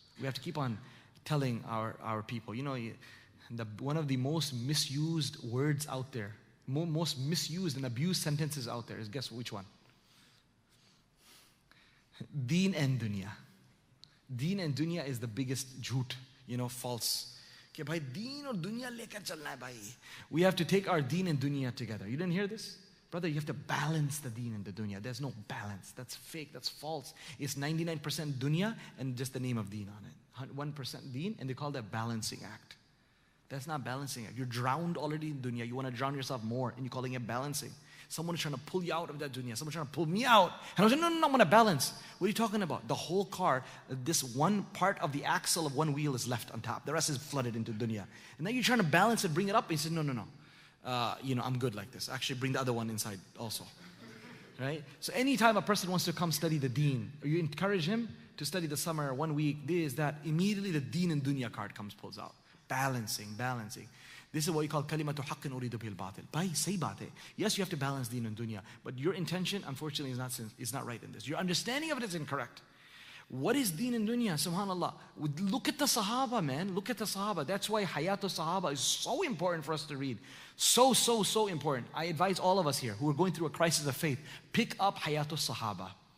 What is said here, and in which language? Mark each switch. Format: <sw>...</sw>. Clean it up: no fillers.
<en>We have to keep on telling our people. You know, one of the most misused words out there, most misused and abused sentences out there is, guess which one? Deen and dunya. Deen and dunya is the biggest jhoot, you know, false.</en> <ur>کہ بھائی، دین اور دنیا لے کر چلنا ہے بھائی۔</ur> <en>We have to take our deen and dunya together. You didn't hear this? Brother, you have to balance the deen and the dunya. There's no balance. That's fake. That's false. It's 99% dunya and just the name of deen on it. 1% deen, and they call that balancing act. That's not balancing act. You're drowned already in dunya. You want to drown yourself more and you're calling it balancing. Someone is trying to pull you out of that dunya. Someone's trying to pull me out. And I was like, no, I'm going to balance. What are you talking about? The whole car, this one part of the axle of one wheel is left on top. The rest is flooded into dunya. And then you're trying to balance it, bring it up. He said, no. You know, I'm good like this. Actually, bring the other one inside also. Right? So anytime a person wants to come study the deen, or you encourage him to study the summer, 1 week, this, that, immediately the deen and dunya card comes, pulls out. Balancing. This is what you call</en> <ar>کلمۃ حق یرید بہ الباطل۔</ar> <ur>بھائی، سے باطل۔</ur> <en>Yes, you have to balance deen and dunya, but your intention, unfortunately, is not right in this. Your understanding of it is incorrect. What is deen and dunya? Subhanallah. Look at the sahaba, man. Look at the sahaba. That's why hayatul sahaba is so important for us to read. So important. I advise all of us here who are going through a crisis of faith, pick up Hayatul Sahaba.</en>